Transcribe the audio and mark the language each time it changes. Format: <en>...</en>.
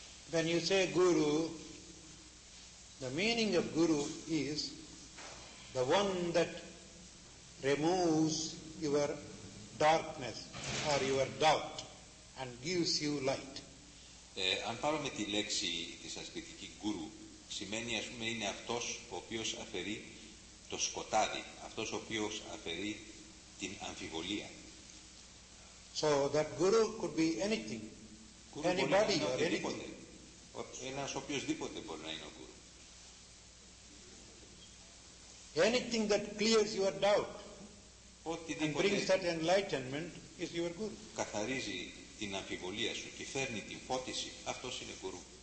<en>When you say guru, the meaning of guru is the one that removes your darkness or your doubt and gives you light.</en> <el>Αν πάρουμε τη λέξη της ασκητικής γκουρού, σημαίνει, ας πούμε, είναι αυτός ο οποίος αφαιρεί το σκοτάδι, αυτός ο οποίος αφαιρεί την αμφιβολία.</el> <en>So that guru could be anything, guru anybody or anything.</en> <el>Ένας οποιοσδήποτε μπορεί να είναι ο γκουρού.</el> <en>Anything that clears your doubt</en> <el>οτιδήποτε</el> <en>and brings that enlightenment is your guru.</en> <el>Καθαρίζει την αμφιβολία σου και φέρνει την φώτιση, αυτός είναι γκουρού.</el>